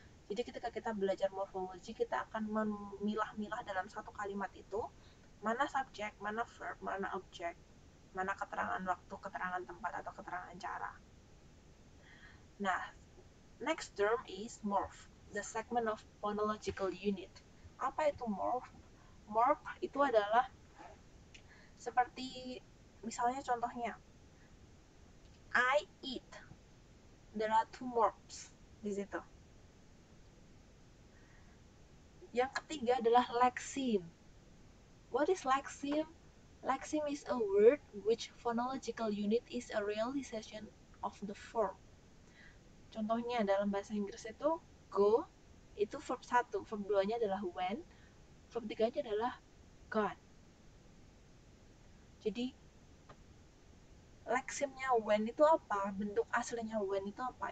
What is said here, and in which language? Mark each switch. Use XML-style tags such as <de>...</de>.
<id>Jadi ketika kita belajar morphology, kita akan memilah-milah dalam satu kalimat itu mana subject, mana verb, mana object, mana keterangan waktu, keterangan tempat, atau keterangan cara.</id> <en>Nah, next term is morph, the segment of phonological unit.</en> <id>Apa itu morph? Morph itu adalah seperti, misalnya contohnya,</id> <en>I eat. There are two morphs di situ.</en> <id>Yang ketiga adalah lexeme.</id> <en>What is lexeme? Lexeme is a word which phonological unit is a realization of the form.</en> <id>Contohnya dalam bahasa Inggris itu go itu verb 1, verb 2-nya adalah went, Verb 3-nya adalah got. Jadi, leximnya when itu apa? Bentuk aslinya when itu apa?</id>